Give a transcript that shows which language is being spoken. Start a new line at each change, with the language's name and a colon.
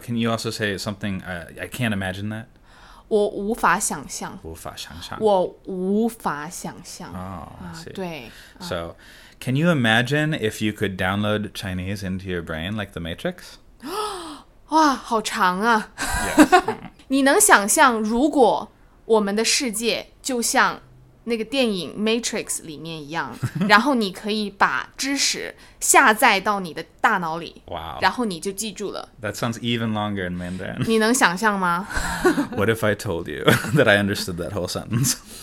English: Can you also say something? I can't imagine that.
Chinese: 我无法想象。无法想象。我无法想象。
English: Oh, I see.
Chinese: 对。
English: So, can you imagine if you could download Chinese into your brain like the Matrix?
Chinese: 哇，好长啊！
English: Yes.
Chinese: 你能想象如果我们的世界就像那个电影 Matrix 里面一样，然后你可以把知识下载到你的大脑里，哇、 wow. ！ 然后你就记住了。
English: That sounds even longer in Mandarin.
Chinese: 你能想象吗？
English: What if I told you that I understood that whole sentence?